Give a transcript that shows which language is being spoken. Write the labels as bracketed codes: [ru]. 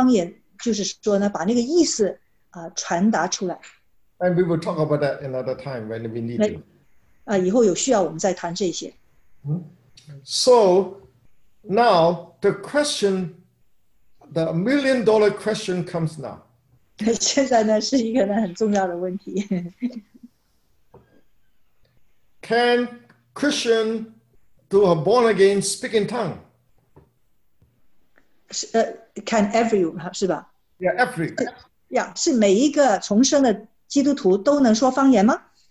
[zh] 现在翻方言就是说呢,把那个意思, 传达出来。 [en] And we will talk about that another time when we need to. [zh] 以后有需要我们再谈这些。 [en] So, now, the question, the million-dollar question comes now. [zh] 现在呢,是一个很重要的问题。 [en] Can Christian to a born again speak in tongue? Can everyone, [zh] 是吧? [en] Yeah, every. Yeah, [zh] 是每一个重生的基督徒都能说方言吗?